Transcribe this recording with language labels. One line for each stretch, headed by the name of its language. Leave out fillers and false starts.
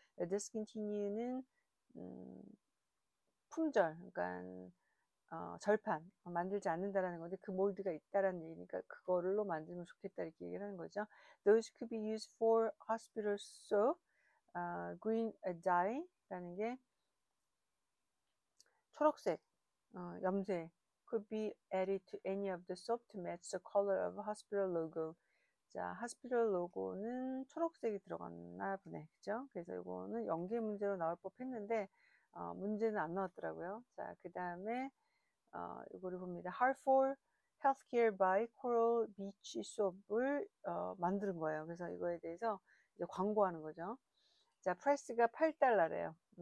Korean: Discontinue는 품절, 그러니까 절판 만들지 않는다라는 건데 그 몰드가 있다라는 얘기니까 그걸로 만들면 좋겠다 이렇게 얘기를 하는 거죠.
English: Those could be used for hospital soap. Green dye라는 게
Korean: 초록색, 염색
English: could be added to any of the soap to match the color of hospital logo.
Korean: 자, hospital logo는 초록색이 들어갔나 보네, 그죠? 그래서 이거는 연계 문제로 나올 법했는데 문제는 안 나왔더라고요. 자, 그 다음에 이거를 봅니다. Hard for Healthcare by Coral Beach Soap을 만드는 거예요. 그래서 이거에 대해서 이제 광고하는 거죠. 자, 프라이스가 8달러래요.